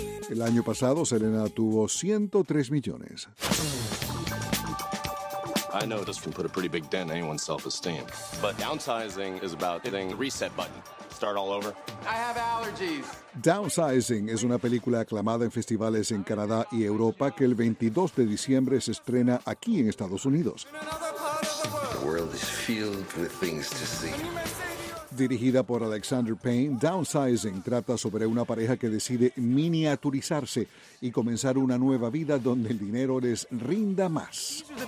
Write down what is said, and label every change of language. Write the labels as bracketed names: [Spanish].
[Spanish] El año pasado, Selena tuvo 103 millones. [English] I know this will put a pretty big dent in anyone's self-esteem. But downsizing is about hitting the reset button. Start all over. I have allergies. [Spanish] Downsizing es una película aclamada en festivales en Canadá y Europa que el 22 de diciembre se estrena aquí en Estados Unidos. [English] The world is filled with things to see. [Spanish] Dirigida por Alexander Payne, Downsizing trata sobre una pareja que decide miniaturizarse y comenzar una nueva vida donde el dinero les rinda más.